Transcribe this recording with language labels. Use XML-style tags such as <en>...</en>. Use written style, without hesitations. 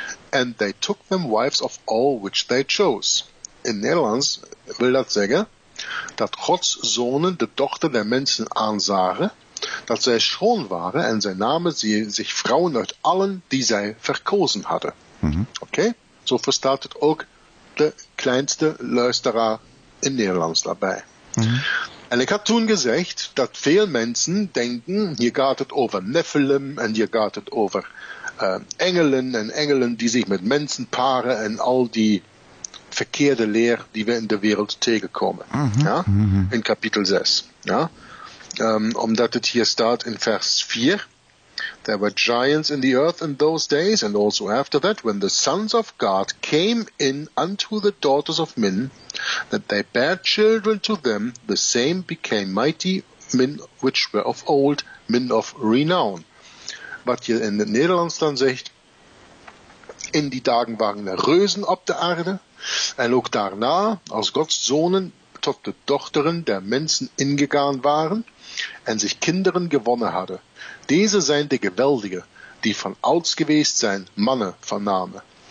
<en>And they took them wives of all which they chose.</en> <nl>In Nederlands wil dat zeggen dat Gods zonen de dochter der mensen aanzagen, dat zij schoon waren en zij namen zich vrouwen uit allen die zij verkozen hadden. Mm-hmm. Oké, okay? Zo verstaat het ook de kleinste luisteraar in Nederlands daarbij. Mm-hmm. En ik had toen gezegd dat veel mensen denken, hier gaat het over Nephilim en hier gaat het over engelen die zich met mensen paren en al die verkeerde leer die we in de wereld tegenkomen. Mm-hmm. Ja? In kapitel 6. Ja? Omdat het hier staat in vers 4.</nl> <en>There were giants in the earth in those days and also after that when the sons of God came in unto the daughters of men that they bare children to them the same became mighty men which were of old men of renown.</en> <nl>Wat je in het Nederlands dan zegt, in die dagen waren er reuzen op de aarde en ook daarna, als Gods zonen tot de dochteren der mensen ingegaan waren en zich kinderen gewonnen hadden. Deze zijn de geweldige, die van ouds geweest zijn, mannen van name.</nl>